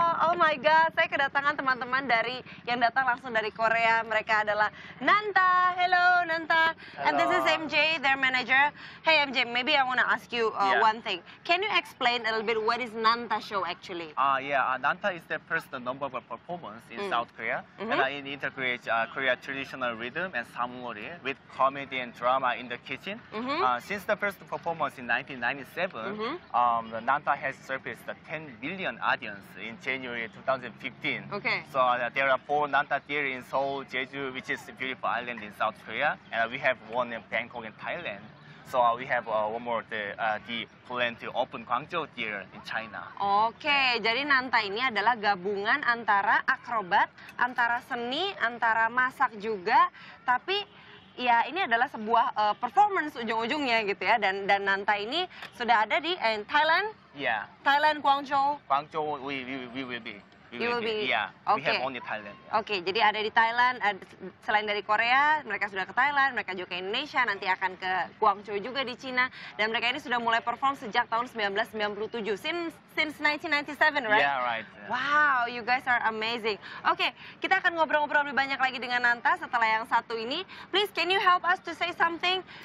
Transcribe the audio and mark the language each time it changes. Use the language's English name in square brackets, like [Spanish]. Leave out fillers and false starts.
[Indonesian] Oh my god, saya kedatangan teman-teman dari yang datang langsung dari Korea. Mereka adalah Nanta. Hello, Nanta. Hello. [English] And this is MJ, their manager. Hey MJ, maybe I want to ask you one thing. Can you explain a little bit what is Nanta show actually? Nanta is the first number one performance in South Korea. Mm-hmm. And it integrates Korea traditional rhythm and samori with comedy and drama in the kitchen. Mm-hmm. Since the first performance in 1997, mm-hmm. Nanta has surpassed 10 million audience in January 2015. Okay. So there are 4 Nanta theaters in Seoul, Jeju, which is a beautiful island in South Korea. And we have one in Bangkok and Thailand. So we have one more, the plan to open Guangzhou theater in China. Okay. [Indonesian] Jadi Nanta ini adalah gabungan antara akrobat, antara seni, antara masak juga, tapi ya ini adalah sebuah performance ujung-ujungnya gitu ya, dan Nanta ini sudah ada di Thailand. [English] Yeah. Thailand, Guangzhou. Guangzhou, we will be. Yeah. Okay. We have only Thailand. Yeah. Okay. [Indonesian] Jadi ada di Thailand, selain dari Korea, mereka sudah ke Thailand, mereka juga ke Indonesia, nanti akan ke Guangzhou juga di China, dan mereka ini sudah mulai perform sejak tahun 1997. [English] Since 1997, right? Yeah, right. Wow, you guys are amazing. [Indonesian] Okay, kita akan ngobrol-ngobrol lebih banyak lagi dengan Nanta setelah yang satu ini. [English] Please, can you help us to say something?